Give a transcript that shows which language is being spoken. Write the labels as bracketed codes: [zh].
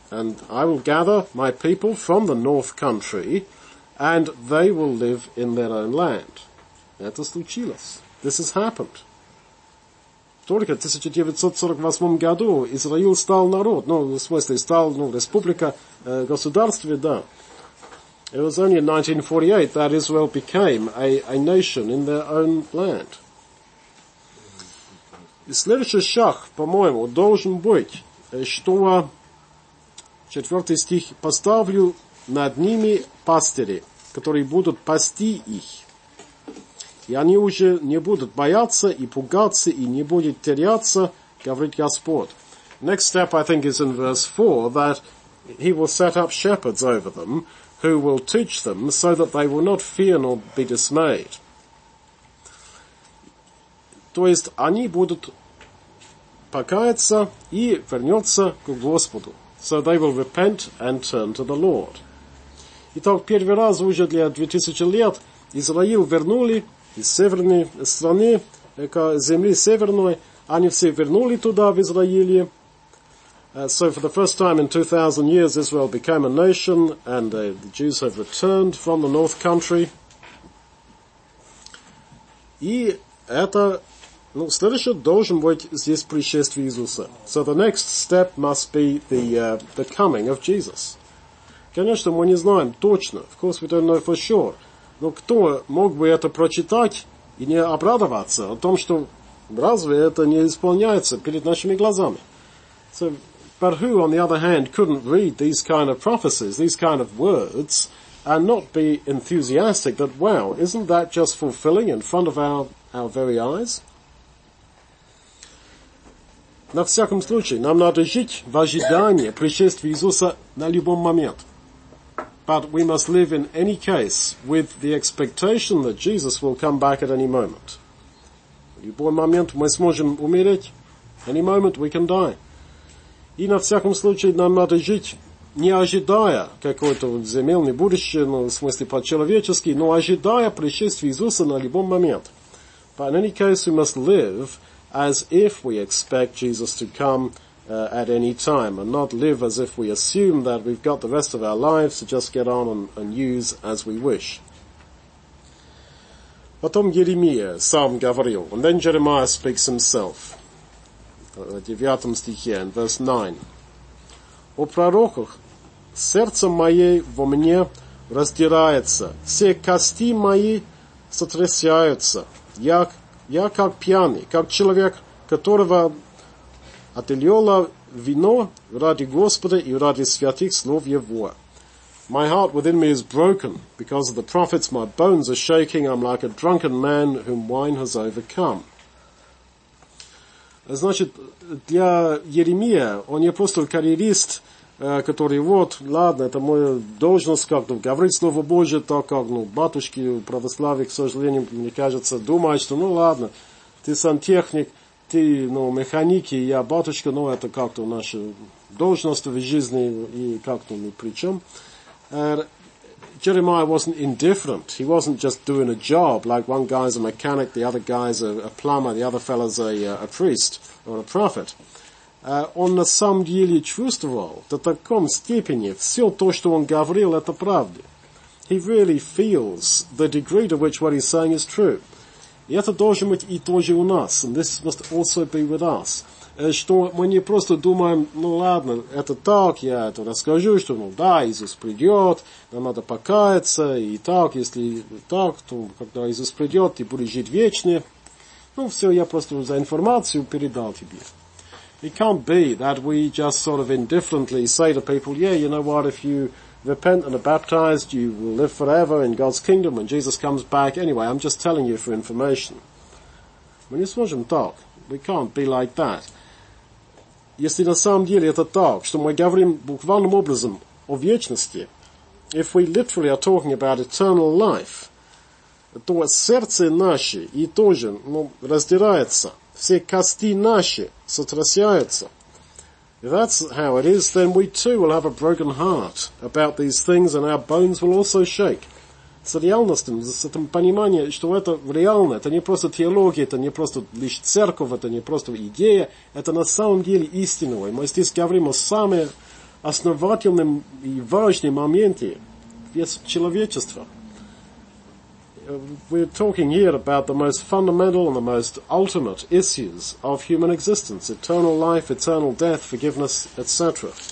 [en] And I will gather my people from the north country, and they will live in their own land. [ru] Это случилось. [en] This has happened. [ru] Только в 1948 году Израиль стал народ, ну, в смысле, стал, ну, республика, государство, да. [en] It was only in 1948 that Israel became a nation in their own land. [ru] И следующий шаг, по-моему, должен быть, что, четвертый стих, поставлю над ними пастыри, которые будут пасти их. И они уже не будут бояться и пугаться, и не будет теряться, говорит Господь. [en] Next step, I think, is in verse 4, that he will set up shepherds over them, who will teach them, so that they will not fear nor be dismayed. [ru] То есть, они будут покаяться и вернется к Господу. [en] So they will repent and turn to the Lord. [ru] Итак, первый раз уже для 2000 лет Израиль вернули из северной страны, к земле северной, они все вернули туда, в Израиле. [en] So for the first time in 2000 years, Israel became a nation, and the Jews have returned from the north country. [ru] И это, ну, следующее должен быть здесь пришествие Иисуса. [en] So the next step must be the coming of Jesus. [ru] Конечно, мы не знаем точно, [en] of course we don't know for sure, [ru] но кто мог бы это прочитать и не обрадоваться о том, что разве это не исполняется перед нашими глазами? [en] So, but who, on the other hand, couldn't read these kind of prophecies, these kind of words, and not be enthusiastic that, wow, isn't that just fulfilling in front of our very eyes? [ru] На всяком случае, нам надо жить в ожидании пришествия Иисуса на любом момент. [en] But we must live in any case with the expectation that Jesus will come back at any moment. [ru] Любой момент мы сможем умереть. [en] Any moment we can die. [ru] И на всяком случае нам надо жить, не ожидая какое-то земельное будущее, ну, в смысле по-человечески, но ожидая пришествия Иисуса на любом момент. [en] But in any case we must live as if we expect Jesus to come at any time, and not live as if we assume that we've got the rest of our lives to just get on and use as we wish. [ru] Потом Еремия сам говорил, [en] and then Jeremiah speaks himself. [ru] В 9 стихе, [en] in verse 9. [ru] О пророках, сердце мое во мне раздирается, все кости мои сотрясаются, я как пьяный, как человек, которого отлило вино ради Господа и ради святых слов Его. [en] My heart within me is broken because of the prophets, my bones are shaking, I'm like a drunken man whom wine has overcome. [ru] Значит, для Еремия, он не просто карьерист, который, вот, ладно, это моя должность как-то говорить Слово Божие, так как, ну, батюшки православие, к сожалению, мне кажется, думают, что, ну, ладно, ты сантехник, ты, ну, механик, и я батюшка, ну, это как-то наша должность в жизни, и как-то ни при чем. [en] Jeremiah wasn't indifferent. He wasn't just doing a job, like one guy's a mechanic, the other guy's a plumber, the other fellow's a priest or a prophet. [ru] Он на самом деле чувствовал до таком степени все то, что он говорил, это правда. [en] He really feels the degree to which what he's saying is true. [ru] И это должно быть и тоже у нас, [en] and this must also be with us, [ru] что мы не просто думаем, ну ладно, это так, я это расскажу, что, ну да, Иисус придет, нам надо покаяться, и так, если так, то когда Иисус придет, ты будешь жить вечно. Ну все, я просто за информацию передал тебе. [en] It can't be that we just sort of indifferently say to people, yeah, you know what, if you repent and are baptized, you will live forever in God's kingdom when Jesus comes back. Anyway, I'm just telling you for information. [ru] Мы не сможем так. [en] We can't be like that. [ru] Если на самом деле это так, что мы говорим буквальным образом о вечности, [en] if we literally are talking about eternal life, [ru] то сердце наше и тоже, ну, раздирается. Все кости наши сотрясаются. [en] If that's how it is, then we too will have a broken heart about these things, and our bones will also shake. [ru] С реальностью, с этим пониманием, что это реально, это не просто теология, это не просто лишь церковь, это не просто идея, это на самом деле истинное. Мы здесь говорим о самом основательном и важном моменте весь человечества. [en] We're talking here about the most fundamental and the most ultimate issues of human existence, eternal life, eternal death, forgiveness, etc.